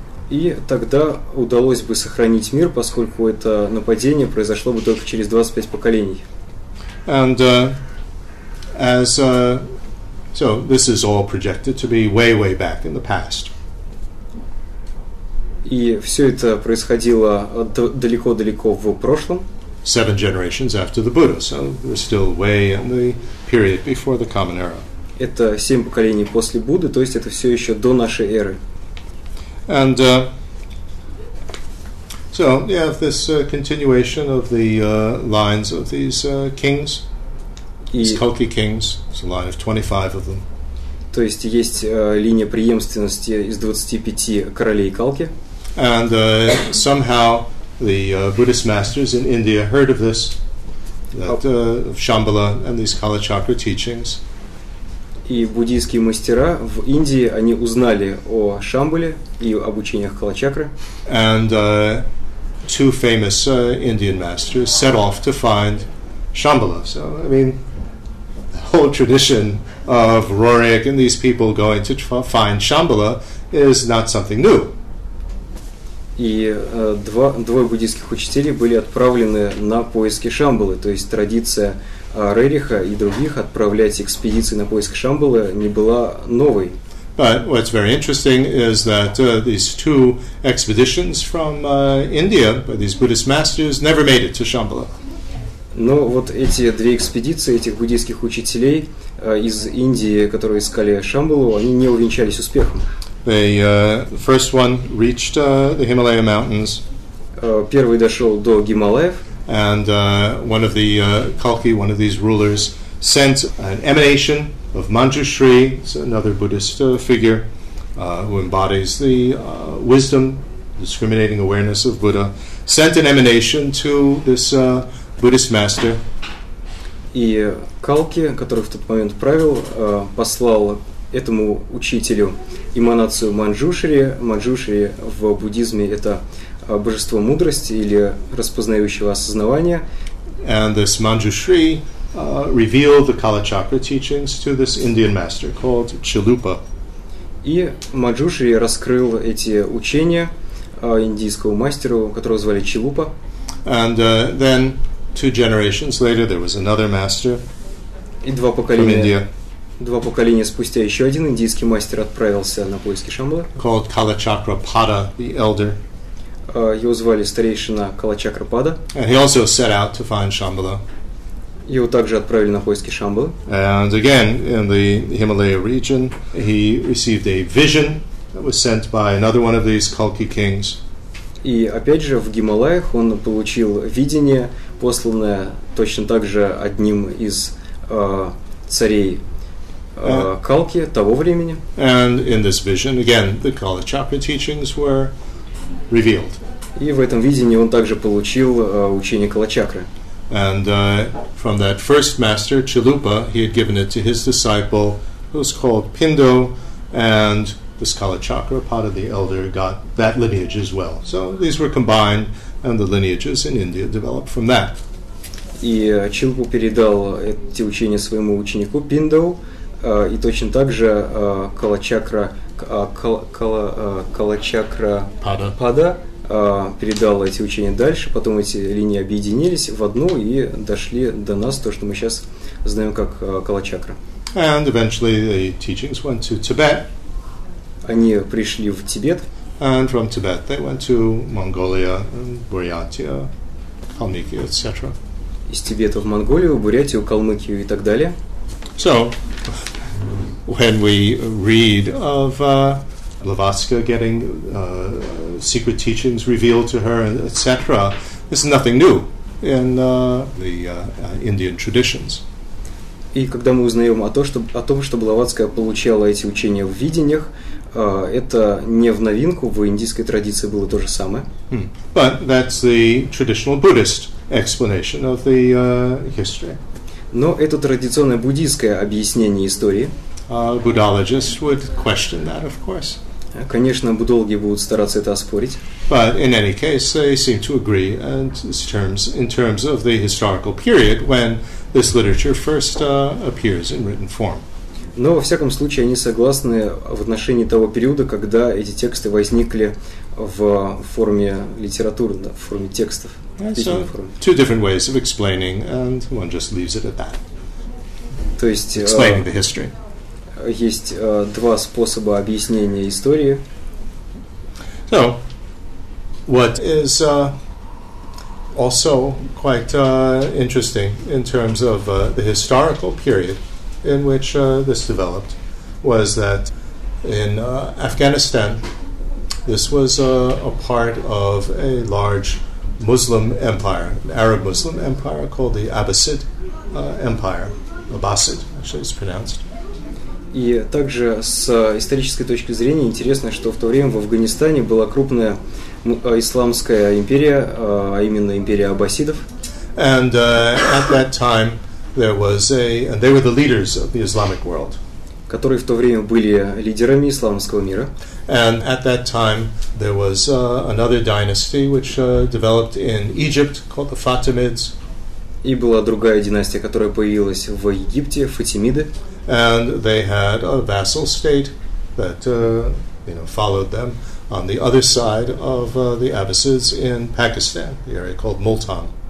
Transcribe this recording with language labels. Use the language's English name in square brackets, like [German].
[Russian] И тогда удалось бы сохранить мир, поскольку это нападение произошло бы только через 25 поколений. [English] And as so this is all projected to be way, way back in the past. [Russian] И все это происходило далеко-далеко в прошлом. [English] Seven generations after the Buddha, so we're still way in the period before the Common Era. [Russian] Это семь поколений после Будды, то есть это все еще до нашей эры. [English] And so you have this continuation of the lines of these kings. These Kalki kings, it's a line of 25 of them. [Russian] То есть есть линия преемственности из 25 королей Калки. [English] And somehow the Buddhist masters in India heard of this, that of Shambhala and these Kalachakra teachings. [Russian] И буддийские мастера в Индии, они узнали о Шамбале и об учениях Калачакры. [English] And two famous Indian masters set off to find Shambhala. So, I mean, whole tradition of Rorik and these people going to find Shambhala is not something new. [Russian] И двое буддийских учителей были отправлены на поиски Шамбалы, то есть традиция Рериха и других отправлять экспедиции на поиски Шамбалы не была новой. [English] But what's very interesting is that these two expeditions from India by these Buddhist masters never made it to Shambhala. [Russian] Но вот эти две экспедиции этих буддийских учителей из Индии, которые искали Шамбалу, они не увенчались успехом. [English] The first one reached the Himalaya mountains. [Russian] Первый дошел до Гималаев. [English] And one of the Kalki, one of these rulers, sent an emanation of Manjushri, another Buddhist figure, who embodies the wisdom, discriminating awareness of Buddha, sent an emanation to this Buddhist master. [Russian] И Калки, который в тот момент правил, послал этому учителю эманацию Манджушри. Манджушри в буддизме – это божество мудрости или распознающего осознавания. [English] And this Manjushri revealed the Kalachakra teachings to this Indian master called Chilupa. [Russian] И Манджушри раскрыл эти учения индийскому мастеру, которого звали Чилупа. [English] And then two generations later, there was another master from India. [Russian] Два поколения спустя еще один индийский мастер отправился на поиски Шамбалы. [English] Called Kalachakra Pada the Elder. [Russian] его звали старейшина Калачакрапада. [English] And he also set out to find Шамбала. [Russian] Его также отправили на поиски Шамбалы. [English] And again, in the Himalaya region, he received a vision that was sent by another one of these Kalki kings. [Russian] И опять же, в Гималаях он получил видение, посланное точно так же одним из царей Калки того времени. [English] And in this vision, again, the Kalachakra teachings were revealed. [Russian] И в этом видении он также получил учение Калачакры. [English] And from that first master, Chalupa, he had given it to his disciple, who was called Pindo, and this Kalachakra, part of the elder, got that lineage as well. So these were combined, and the lineages in India developed from that. [Russian] И Чилупа передал эти учения своему ученику Пиндо, и точно так же Калачакра, Калачакра Пада передал эти учения дальше, потом эти линии объединились в одну и дошли до нас, то, что мы сейчас знаем как Калачакра. [English] And eventually the teachings went to Tibet. [Russian] Они пришли в Тибет. [English] And from Tibet they went to Mongolia, Buryatia, Kalmykia, etc. [Russian] Из Тибета в Монголию, Бурятию, Калмыкию и так далее. [English] So, when we read of Blavatska getting secret teachings revealed to her, etc., this is nothing new in the Indian traditions. [Russian] И когда мы узнаем о том, что Блаватская получала эти учения в видениях, это не в новинку, в индийской традиции было то же самое. [English] But that's the traditional Buddhist explanation of the history. [Russian] Но это традиционное буддийское объяснение истории. [English] Buddhologists would question that, of course. [Russian] Конечно, буддологи будут стараться это оспорить. [English] But in any case, they seem to agree in terms of the historical period when this literature first appears in written form. [Russian] Но во всяком случае, они согласны в отношении того периода, когда эти тексты возникли в форме литературы, в форме текстов. [English] So, two different ways of explaining, and one just leaves it at that. [Russian] То есть, [English] explaining the history. [Russian] Есть два способа объяснения истории. [English] So, what is also quite interesting in terms of the historical period in which this developed was that in Afghanistan, this was a part of a large Muslim empire, an Arab Muslim empire called the Abbasid empire. Abbasid, actually, it's pronounced. [Russian] И также с исторической точки зрения интересно, что в то время в Афганистане была крупная исламская империя, а именно империя аббасидов. [English] And at that time there was and they were the leaders of the Islamic world. [Russian] Которые в то время были лидерами исламского мира. [English] And at that time there was another dynasty which developed in Egypt called the Fatimids. [Russian] И была другая династия, которая появилась в Египте, Фатимиды. [English] And they had a vassal state that followed them on the other side of the Abbasids in Pakistan, the area called Multan.